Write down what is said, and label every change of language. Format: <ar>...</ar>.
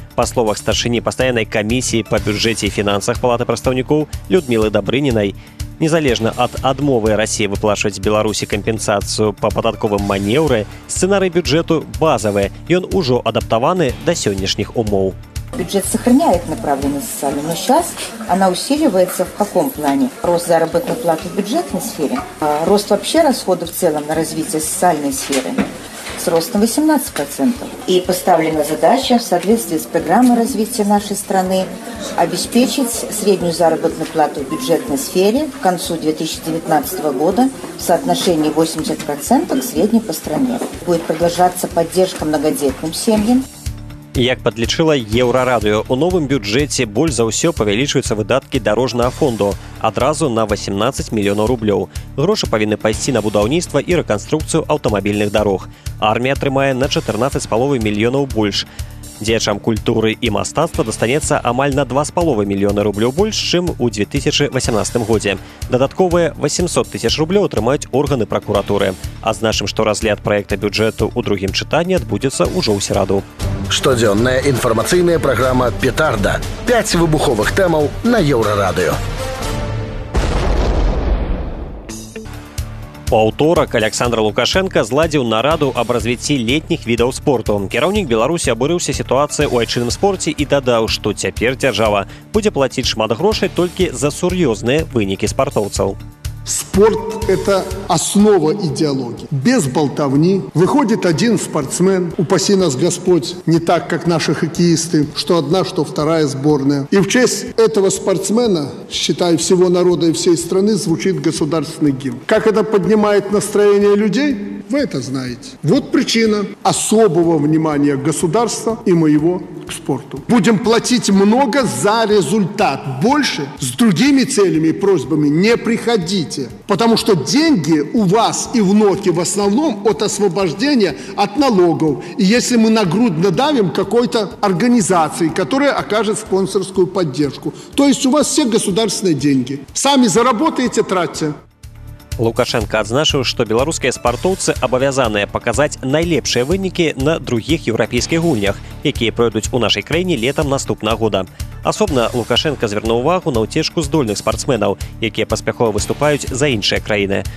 <be>Па словах старшыні пастаяннай камісіі па бюджэце і фінансах Палаты прадстаўнікоў Людмілы Дабрынінай, незалежна ад адмовы Расіі выплачваць Беларусі кампенсацыю па падатковым манеўры, сцэнарый бюджэту базавы, ён ужо адаптаваны да сённяшніх умоў.</be> <ru>Бюджет сохраняет направленный социальный, но сейчас она усиливается в каком плане? Рост заработной платы в бюджетной сфере, рост вообще расходов в целом на развитие социальной сферы с ростом 18%. И поставлена задача в соответствии с программой развития нашей страны обеспечить среднюю заработную плату в бюджетной сфере к концу 2019 года в соотношении 80% к средней по стране. Будет продолжаться поддержка многодетным семьям.</ru> <be>Як падлічыла Еўрарадыё, у новым бюджэце больш за ўсё павялічваюцца выдаткі дарожнага фонду адразу на 18 мільёнаў рублёў. Грошы павінны пайсці на будаўніцтва і рэканструкцыю аўтамабільных дарог. Армія атрымае на 14,5 мільёнаў больш. Дзячам культуры і мастацтва дастанецца амаль на 2,5 мільёна рублёў больш, чым у 2018 годзе. Дадатковыя 800 тысяч рублёў атрымаюць органы пракуратуры. Адзначым, што разгляд праекта бюджэту ў другім чытанні адбудзецца ўжо ў сераду. Штодзённая інфармацыйная праграма «Петарда». Пяць выбуховых тэмаў на Еўрарадыё. У аўторак Александр Лукашэнка зладзіў нараду аб развіцці летніх відаў спорту. Кіраўнік Беларусі абурыўся сітуацыяй у айчынным спорце і дадаў, што цяпер дзяржава будзе плаціць шмат грошай толькі за сур'ёзныя вынікі спартоўцаў.</be> <ru>Спорт – это основа идеологии. Без болтовни выходит один спортсмен, упаси нас Господь, не так, как наши хоккеисты, что одна, что вторая сборная. И в честь этого спортсмена, считай, всего народа и всей страны, звучит государственный гимн. Как это поднимает настроение людей? Вы это знаете. Вот причина особого внимания государства и моего к спорту. Будем платить много за результат. Больше с другими целями и просьбами не приходите. Потому что деньги у вас и внуки в основном от освобождения от налогов. И если мы нагрудно давим какой-то организации, которая окажет спонсорскую поддержку. То есть у вас все государственные деньги. Сами заработаете, тратьте.</ru> <be>Лукашэнка адзначыў, што беларускія спартоўцы абавязаныя паказаць найлепшыя вынікі на другіх еўрапейскіх гульнях, якія пройдуць у нашай краіне летам наступнага года. Асобна Лукашэнка звернуў увагу на ўцешку здольных спартсменаў, якія паспяхова выступаюць за іншыя краіны.</be>